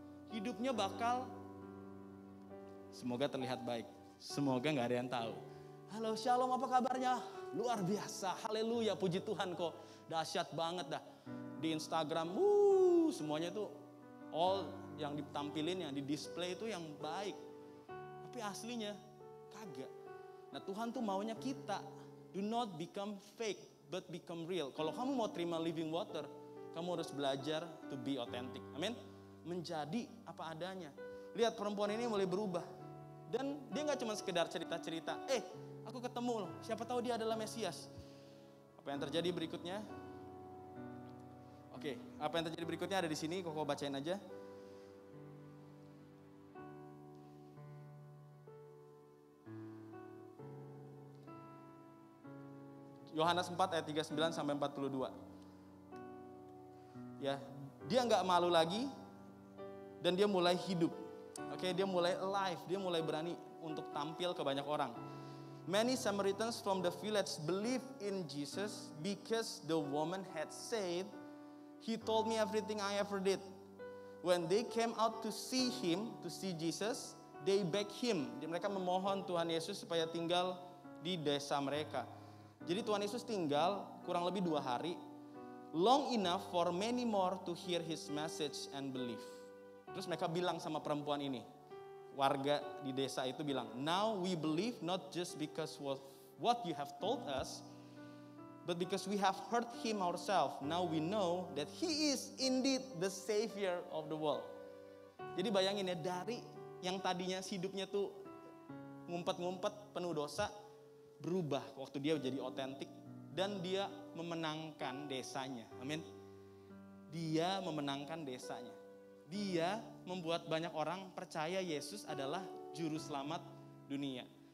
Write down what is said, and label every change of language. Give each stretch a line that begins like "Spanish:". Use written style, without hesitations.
Indonesian: Hidupnya bakal semoga terlihat baik. Semoga gak ada yang tahu. Halo, shalom, apa kabarnya? Luar biasa, haleluya, puji Tuhan kok. Dahsyat banget dah. Di Instagram, semuanya tuh all yang ditampilin, yang di display itu yang baik. Tapi aslinya, kagak. Nah, Tuhan tuh maunya kita,
English: do not become fake, but become real.
Indonesian: Kalau kamu mau terima
English: living water,
Indonesian: kamu harus belajar
English: to be authentic.
Indonesian: Amin. Menjadi apa adanya. Lihat perempuan ini mulai berubah. Dan dia gak cuma sekedar cerita-cerita, aku ketemu loh, siapa tahu dia adalah Mesias. Apa yang terjadi berikutnya? Oke, apa yang terjadi berikutnya ada di sini, Koko bacain aja. Yohanes 4 ayat 39 sampai 42. ya. Dia enggak malu lagi dan dia mulai hidup. Oke, dia mulai alive, dia mulai berani untuk tampil ke banyak orang.
English: Many Samaritans from the village believe in Jesus because the woman had said, "He told me everything I ever did." When they came out to see him, to see Jesus, they beg him.
Indonesian: Mereka memohon Tuhan Yesus supaya tinggal di desa mereka. Jadi Tuhan Yesus tinggal kurang lebih 2 hari.
English: Long enough for many more to hear his message and believe.
Indonesian: Terus mereka bilang sama perempuan ini. Warga di desa itu bilang,
English: "Now we believe not just because of what you have told us, but because we have heard him ourselves. Now we know that he is indeed the savior of the world."
Indonesian: Jadi bayangin ya, dari yang tadinya hidupnya tuh ngumpet-ngumpet penuh dosa, berubah waktu dia jadi otentik dan dia memenangkan desanya. Amin. Dia memenangkan desanya. Dia membuat banyak orang percaya Yesus adalah juru selamat dunia.